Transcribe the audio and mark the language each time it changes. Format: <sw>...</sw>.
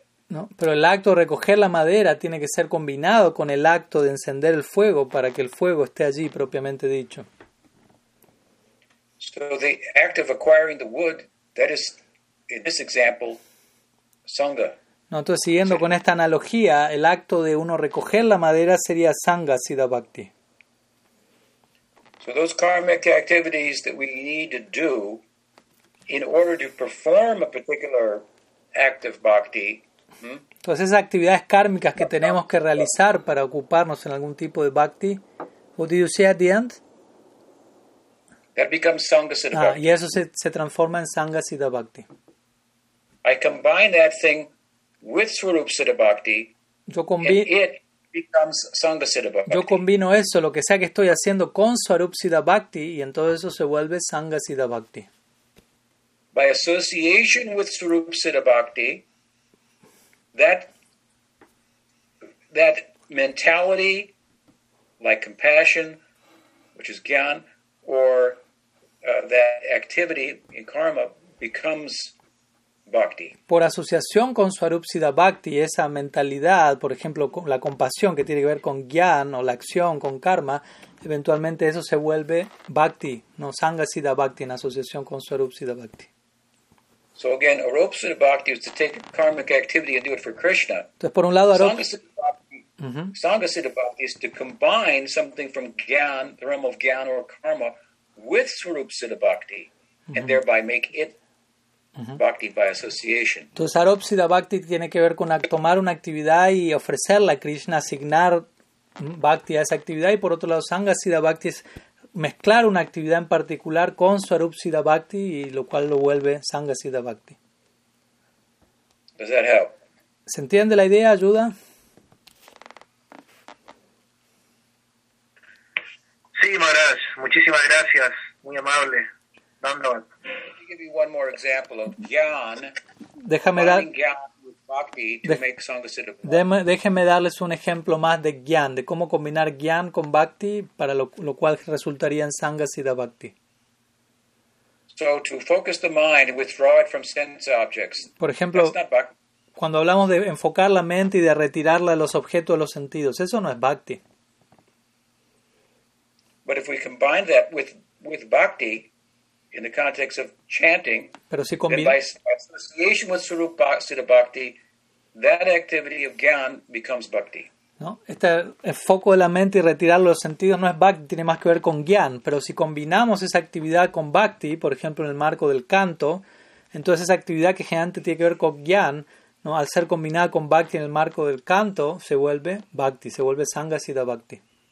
<es>No, pero el acto de recoger la madera tiene que ser combinado con el acto de encender el fuego para que el fuego esté allí propiamente dicho.</es> <en>So the act of acquiring the wood, that is, in this example, sangha.</en> <es>No, entonces siguiendo con esta analogía, el acto de uno recoger la madera sería sangha siddha bhakti.</es> <en>So those karmic activities that we need to do in order to perform a particular act of bhakti.</en> <es>Entonces esas actividades kármicas que tenemos que realizar para ocuparnos en algún tipo de bhakti,</es> <en>what did you say at the end? That becomes Sangha Siddha Bhakti.</en> <es>Y eso se transforma en Sangha Siddha Bhakti.</es> <en>I combine that thing with Swarup Siddha Bhakti, and it becomes Sangha Siddha Bhakti.</en> <es>Yo combino eso, lo que sea que estoy haciendo, con Swarup Siddha Bhakti, y en todo eso se vuelve Sangha Siddha Bhakti.</es> <en>By association with Swarup Siddha Bhakti, that mentality, like compassion, which is gyan, or that activity in karma becomes bhakti.</en> <es>Por asociación con Swarup Siddha Bhakti, esa mentalidad, por ejemplo, la compasión que tiene que ver con gyan o la acción con karma, eventualmente eso se vuelve bhakti, no Sangha Siddha Bhakti, en asociación con Swarup Siddha Bhakti.</es> <en>So again, Arupa Siddha Bhakti is to take karmic activity and do it for Krishna.</en> <es>Entonces, por un lado,</es> <en>Sangha Siddha Bhakti is to combine something from gyan, the realm of gyan or karma, with Swarup Siddha Bhakti, and thereby make it Bhakti by association.</en> <es>Entonces, Aropsita Bhakti tiene que ver con tomar una actividad y ofrecerla a Krishna, asignar Bhakti a esa actividad. Y por otro lado, Sangasida Bhakti es mezclar una actividad en particular con Swarupsida Bhakti, y lo cual lo vuelve Sangasida Bhakti.</es> <en>Does that help?</en> <es>¿Se entiende la idea? ¿Ayuda? Sí, Maharaj. Muchísimas gracias. Muy amable. Dandavat.</es> <en>Give you one more example of Gyan.</en> <es>Déjame dar. Déjeme darles un ejemplo más de Gyan, de cómo combinar Gyan con Bhakti, para lo cual resultaría en Sangasida Bhakti.</es> <en>So to focus the mind and withdraw it from sense objects.</en> <es>Por ejemplo, cuando hablamos de enfocar la mente y de retirarla de los objetos de los sentidos, eso no es Bhakti.</es> <en>But if we combine that with Bhakti, in the context of chanting,</en> <es>pero si</es> <en>by association with Swarupa Siddha Bhakti, that activity of Gyan becomes Bhakti.</en> <es>¿No? Este enfoque de la mente y retirar los sentidos no es Bhakti, tiene más que ver con Gyan. Pero si combinamos esa actividad con Bhakti, por ejemplo en el marco del canto, entonces esa actividad que generalmente tiene que ver con Gyan, ¿no?, al ser combinada con Bhakti en el marco del canto, se vuelve Bhakti, se vuelve Sangha Siddha Bhakti.</es>